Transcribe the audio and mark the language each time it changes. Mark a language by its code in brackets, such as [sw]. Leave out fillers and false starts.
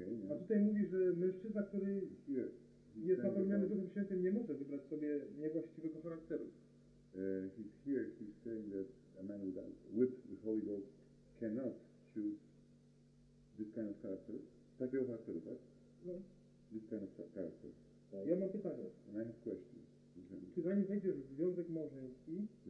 [pl] A tutaj mówi, że mężczyzna, który jest napełniony Duchem Świętym, nie może wybrać sobie niewłaściwego charakteru. [en] He's saying that a man with the Holy Ghost cannot choose this kind of character. [pl] Takiego charakteru, tak? No. [en] This kind of character. [pl] Ja mam pytanie. [en] And I have question. [pl] Czy zanim wejdziesz w związek małżeński,